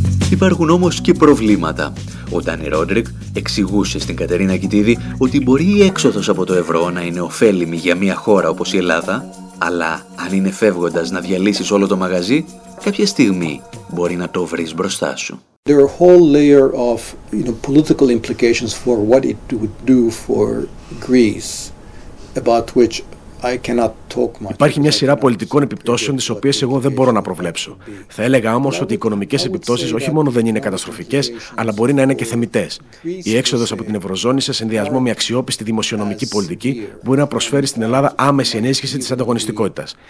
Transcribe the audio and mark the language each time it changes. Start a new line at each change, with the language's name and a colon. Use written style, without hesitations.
Greek: Υπάρχουν όμως και προβλήματα. Ο Ντάνι Ρόντρικ εξηγούσε στην Κατερίνα Κιτίδη ότι μπορεί η έξοδος από το ευρώ να είναι ωφέλιμη για μια χώρα όπως η Ελλάδα, αλλά αν είναι φεύγοντας να διαλύσεις όλο το μαγαζί, κάποια στιγμή μπορεί να το βρεις μπροστά σου.
English: There are a whole layer of, you know, political implications for what it would do for Greece, about which I cannot talk much.
Greek: Υπάρχει μια σειρά πολιτικών επιπτώσεων τις οποίες εγώ δεν μπορώ να προβλέψω. Θα έλεγα όμως ότι οι οικονομικές επιπτώσεις όχι μόνο δεν είναι καταστροφικές, αλλά μπορεί να είναι και θεμητές. Η έξοδος από την Ευρωζώνη σε συνδυασμό με αξιόπιστη δημοσιονομική πολιτική μπορεί να προσφέρει στην Ελλάδα άμεση ενίσχυση της ανταγωνιστικότητας.